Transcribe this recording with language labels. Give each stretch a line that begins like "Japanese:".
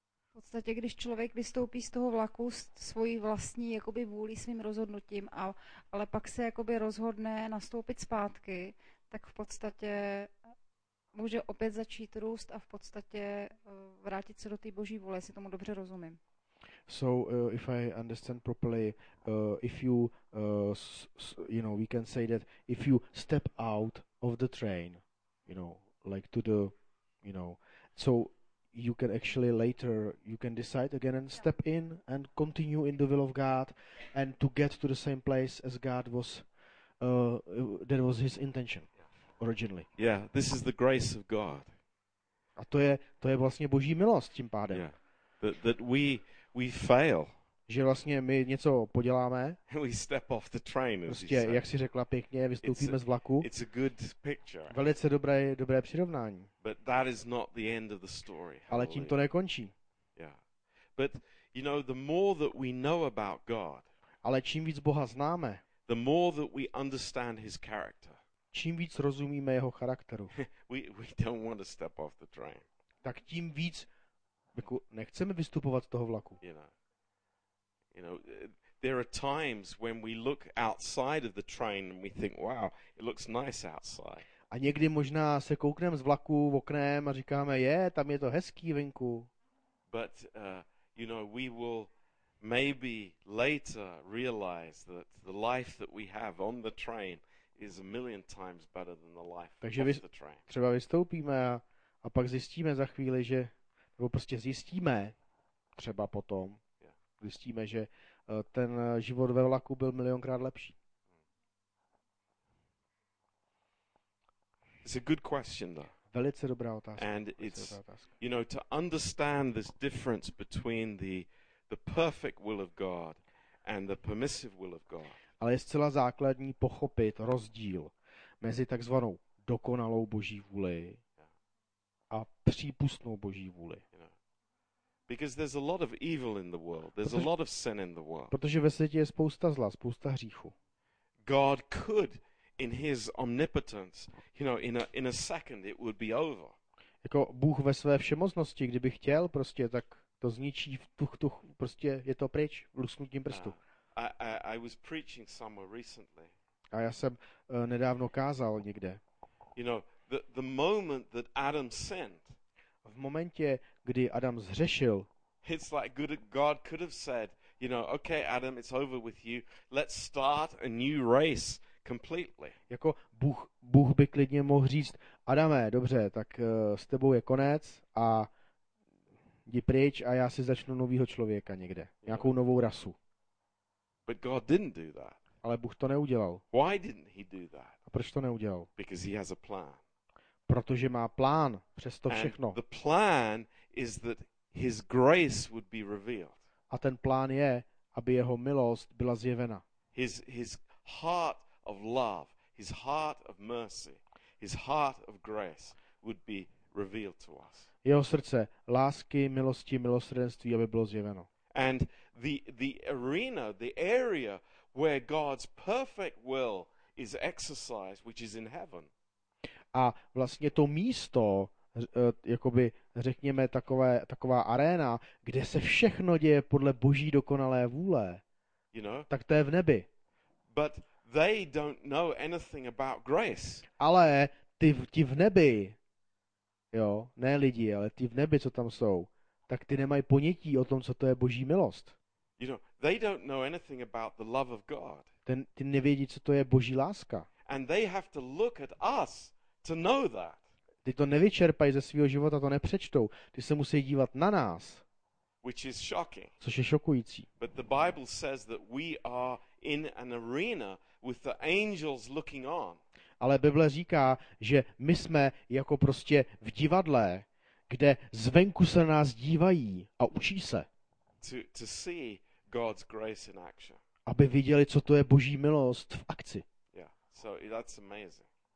Czech: V podstatě, když člověk vystoupí z toho vlaku s svojí vlastní jakoby vůlí, svým rozhodnutím, ale pak se jakoby rozhodne nastoupit zpátky, tak v podstatě může opět začít růst a v podstatě vrátit se do té Boží vůle, jestli tomu dobře rozumím.
English: So if I understand properly, if you, you know, we can say that if you step out of the train, you know, like to the, you know, so you can actually later, you can decide again and step in and continue in the will of God and to get to the same place as God was, that was his intention originally. Yeah, this is the grace of God.
Czech: A to je vlastně Boží milost tím pádem.
English: Yeah, that we fail.
Czech: Že vlastně my něco poděláme.
English: We step off the train.
Czech: Prostě, jak jsi řekla pěkně, vystoupíme z vlaku.
English: It's a good picture.
Czech: Velice dobré přirovnání.
English: But that is not the end of the story.
Czech: Ale tím to nekončí.
English: Yeah. But you know, the more that we know about God.
Czech: Ale čím víc Boha známe.
English: The more that we understand his character.
Czech: čím víc rozumíme jeho charakteru,
English: we don't want to step off the train.
Czech: Tak tím víc jako nechceme vystupovat z toho vlaku.
English: You know, there are times when we look outside of the train and we think, wow, it looks nice outside.
Czech: A někdy možná se koukneme z vlaku v oknem a říkáme, je, tam je to hezký venku.
English: But you know, we will maybe later realize that the life that we have on the train is a million times better than the life off the train.
Czech: Takže třeba vystoupíme a pak zjistíme za chvíli, že nebo prostě zjistíme třeba potom, zjistíme, že ten život ve vlaku byl milionkrát lepší.
English: It's a good question, though.
Czech: Velice dobrá otázka.
English: And it's, you know, to understand this difference between the perfect will of God and the permissive will of God.
Czech: Ale je zcela základní pochopit rozdíl mezi takzvanou dokonalou Boží vůli a přípustnou Boží vůli.
English: Because there's a lot of evil in the world. There's a lot of sin in the world.
Czech: Protože ve světě je spousta zla, spousta hříchu.
English: God could in his omnipotence, you know, in a second it would be over.
Czech: Jako Bůh ve své všemocnosti, kdyby chtěl, prostě tak to zničí v tuch, prostě je to pryč lusknutím prstu.
English: I was preaching somewhere recently.
Czech: A já jsem nedávno kázal někde.
English: You know, the moment that Adam sinned.
Czech: V momentě, kdy Adam zhřešil,
English: it's like God could have said, you know, okay, Adam, it's over with you. Let's start a new race completely.
Czech: Jako Bůh by klidně mohl říct, Adame, dobře, tak s tebou je konec a jdi pryč a já si začnu novýho člověka někde, nějakou novou rasu.
English: But God didn't do that.
Czech: Ale Bůh to neudělal.
English: Why didn't he do that?
Czech: A proč to neudělal?
English: Because he has a plan.
Czech: Protože má plán přes to všechno.
English: And the plan is that his grace would be revealed.
Czech: A ten plán je, aby jeho milost byla zjevena.
English: His heart of love, his heart of mercy, his heart of grace would be revealed to us.
Czech: Jeho srdce lásky, milosti, milosrdenství, aby bylo zjeveno.
English: And the arena, the area where God's perfect will is exercised, which is in heaven.
Czech: A vlastně to místo, jakoby řekněme taková aréna, kde se všechno děje podle Boží dokonalé vůle,
English: you know?
Czech: Tak to je v nebi.
English: But they don't know anything about grace.
Czech: Ale ti v nebi, jo, ne lidi, ale ti v nebi, co tam jsou, tak ty nemají ponětí o tom, co to je Boží milost.
English: You know, they don't know anything about the love of God.
Czech: Ty nevědí, co to je Boží láska.
English: And they have to look at us. To know that.
Czech: Ty to nevyčerpají ze svého života, to nepřečtou. Ty se musí dívat na nás.
English: Which is shocking.
Czech: Což je šokující.
English: But the Bible says that we are in an arena with the angels looking on.
Czech: Ale Bible říká, že my jsme jako prostě v divadle, kde zvenku se na nás dívají a učí se.
English: To see God's grace in action.
Czech: Aby viděli, co to je Boží milost v akci.
English: Yeah. So that's amazing.